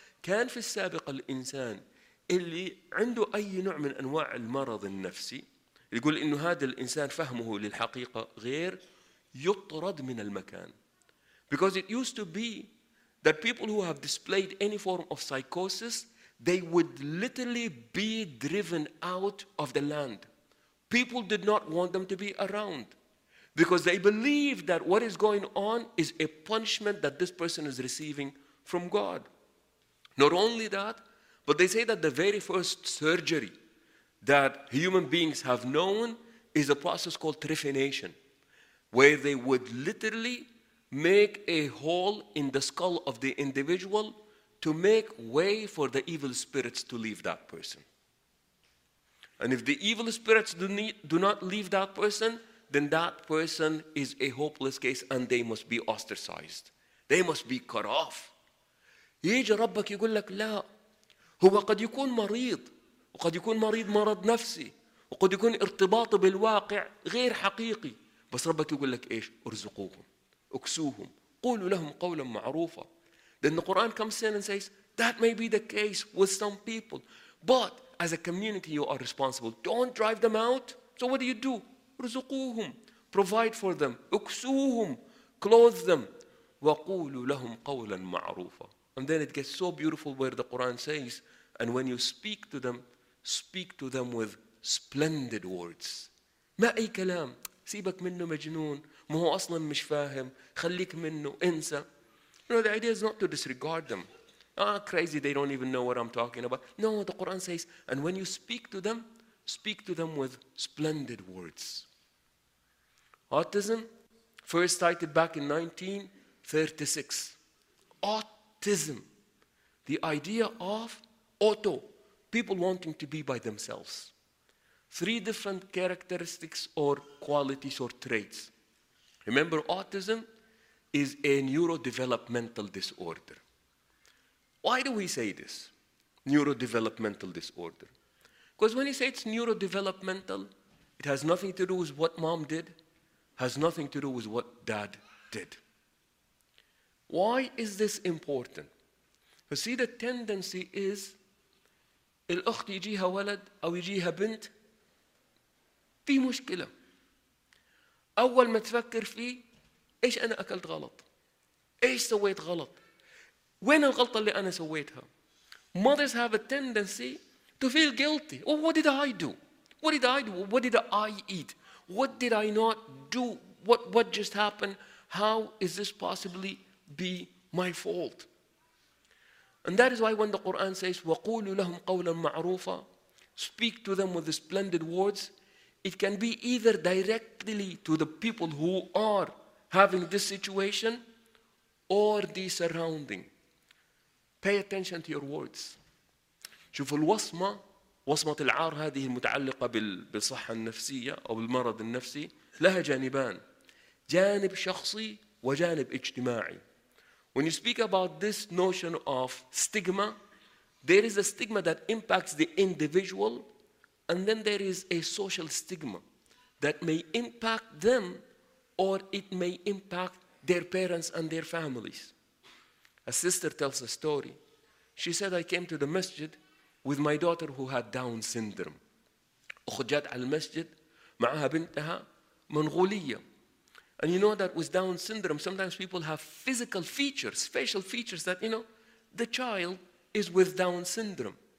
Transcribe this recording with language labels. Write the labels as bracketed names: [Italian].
[Arabic] كان في السابق الإنسان اللي عنده أي نوع من أنواع المرض النفسي يقول إنه هذا الإنسان فهمه للحقيقة غير يطرد من المكان. [English] Because it used to be that people who have displayed any form of psychosis, they would literally be driven out of the land. People did not want them to be around because they believed that what is going on is a punishment that this person is receiving from God. Not only that, but they say that the very first surgery that human beings have known is a process called trephination, where they would literally make a hole in the skull of the individual to make way for the evil spirits to leave that person. And if the evil spirits do not leave that person, then that person is a hopeless case and they must be ostracized. They must be cut off. [Arabic] يجي ربك يقول لك لا هو قد يكون مريض وقد يكون مريض مرض نفسي وقد يكون ارتباطه بالواقع غير حقيقي بس ربك يقول لك ايش ارزقوهم اكسوهم قولوا لهم قولا معروفا لأن القرآن [English] comes in and says that may be the case with some people but as a community you are responsible don't drive them out so what do? [Arabic] ارزقوهم [English] provide for them [Arabic] اكسوهم [English] clothe them [Arabic] وقولوا لهم قولا معروفا. [English] And then it gets so beautiful where the Quran says, and when you speak to them with splendid words. [Arabic] ما أي كلام سيبك منه مجنون ما هو أصلا مش فاهم خليك منه انسى. [English] You know, the idea is not to disregard them. Ah, crazy, they don't even know what I'm talking about. No, the Quran says, and when you speak to them with splendid words. Autism, first cited back in 1936. Autism, the idea of auto, people wanting to be by themselves. Three different characteristics or qualities or traits. Remember, autism is a neurodevelopmental disorder. Why do we say this, neurodevelopmental disorder? Because when you say it's neurodevelopmental, it has nothing to do with what mom did, has nothing to do with what dad did. Why is this important? You see, the tendency is [Arabic] الأخت يجيها ولد أو يجيها بنت في مشكلة. أول ما تفكر فيه إيش أنا أكلت غلط؟ إيش سويت غلط؟ وين الغلطة اللي أنا سويتها؟ [English] Mothers have a tendency to feel guilty. Oh, what did I do? What did I do? What did I eat? What did I not do? What just happened? How is this possibly be my fault? And that is why when the Quran says [Arabic] وَقُولُوا لَهُمْ قَوْلًا مَعْرُوفًا, [English] speak to them with the splendid words, it can be either directly to the people who are having this situation or the surrounding. Pay attention to your words. [Arabic] شوف الوصمة, وصمة العار هذه المتعلقة بالصحة النفسية أو المرض النفسي لها جانبان, جانب شخصي وجانب اجتماعي. [English] When you speak about this notion of stigma, there is a stigma that impacts the individual, and then there is a social stigma that may impact them, or it may impact their parents and their families. A sister tells a story. She said, I came to the masjid with my daughter who had Down syndrome. [Arabic] أخجت على المسجد معها بنتها منغولية. [English] And you know that with Down syndrome, sometimes people have physical features, facial features that, you know, the child is with Down syndrome.